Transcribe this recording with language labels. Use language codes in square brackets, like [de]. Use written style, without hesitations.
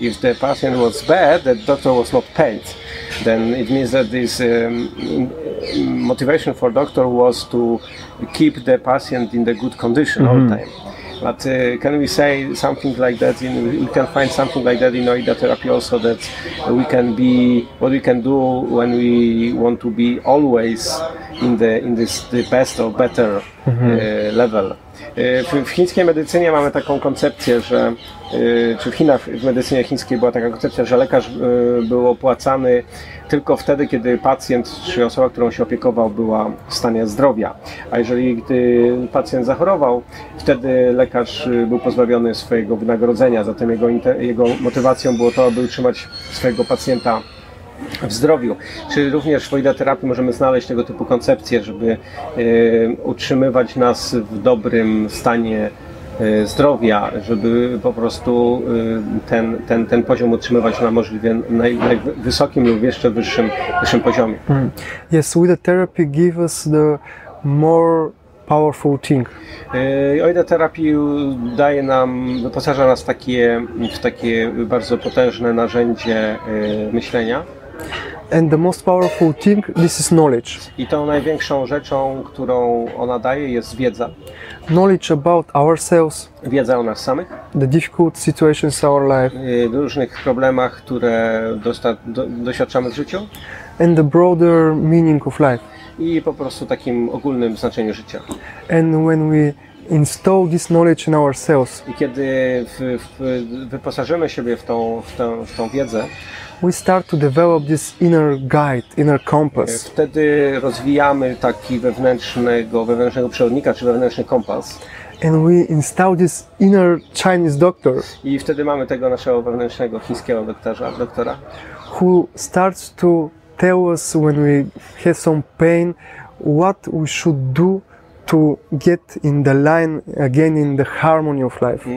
[en] If the patient was bad, the doctor was not paid. Then it means that this motivation for doctor was to keep the patient in the good condition all the time. But can we say something like that? We can find something like that in Ayurveda therapy also, that we can be, what we can do when we want to be always in the best or better level. [pl] W chińskiej medycynie mamy taką koncepcję, że czy w Chinach w medycynie chińskiej była taka koncepcja, że lekarz był opłacany tylko wtedy, kiedy pacjent czy osoba, którą się opiekował, była w stanie zdrowia. A jeżeli gdy pacjent zachorował, wtedy lekarz był pozbawiony swojego wynagrodzenia. Zatem jego motywacją było to, aby utrzymać swojego pacjenta w zdrowiu. Czy również w Ayurveda terapii możemy znaleźć tego typu koncepcję, żeby utrzymywać nas w dobrym stanie zdrowia, żeby po prostu ten poziom utrzymywać na możliwie najwysokim lub jeszcze wyższym poziomie. [en] Yes, Ayurveda therapy gives us the more powerful thing. [pl] Ayurveda terapii daje nam, wyposaża nas w takie bardzo potężne narzędzie myślenia. [en] And the most powerful thing, this is knowledge. [pl] I tą największą rzeczą, którą ona daje, jest wiedza. [en] Knowledge about ourselves. [pl] Wiedza o nas samych. [en] The difficult situations in our life. [pl] Różnych problemach, które doświadczamy w życiu. [en] And the broader meaning of life. [pl] I po prostu takim ogólnym znaczeniu życia. [en] And when we install this knowledge in ourselves. [pl] I kiedy wyposażymy siebie w tą wiedzę, [en] we start to develop this inner guide, inner compass. [pl] Wtedy rozwijamy taki wewnętrznego przewodnika czy wewnętrzny kompas. [en] And we install this inner Chinese doctor. [pl] I wtedy mamy tego naszego wewnętrznego chińskiego doktora, [en] who starts to tell us when we have some pain, what we should do to get in the line again in the harmony of life.